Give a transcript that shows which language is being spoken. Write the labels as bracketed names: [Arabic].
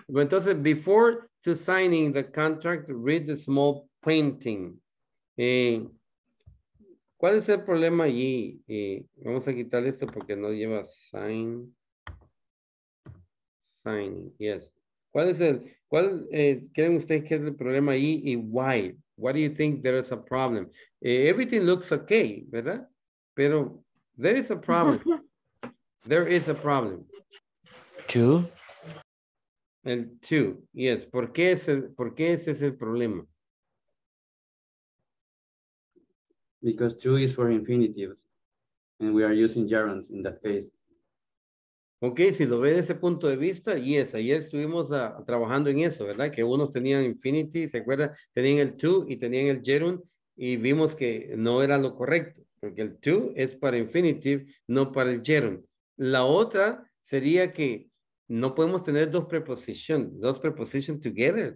[English] Well, entonces, before to signing the contract, read the small painting. [Spanish] ¿Cuál es el problema allí? Vamos a quitar esto porque no lleva sign. Signing. Yes. ¿Cuál es el? ¿Cuál creen ustedes que es el problema allí y why? [English] What do you think there is a problem? Everything looks okay, [Spanish] ¿verdad? Pero [English] there is a problem. There is a problem. Two. [Spanish] El two. Yes. ¿Por qué es el? ¿Por qué ese es el problema? [English] Because two is for infinitives, and we are using gerunds in that case. [Spanish] Okay, si lo ve de ese punto de vista, yes, ayer estuvimos trabajando en eso, ¿verdad? Que unos tenían infinity, ¿se acuerdan? Tenían el to y tenían el gerund, y vimos que no era lo correcto, porque el to es para infinitive, no para el gerund. La otra sería que no podemos tener dos prepositions together.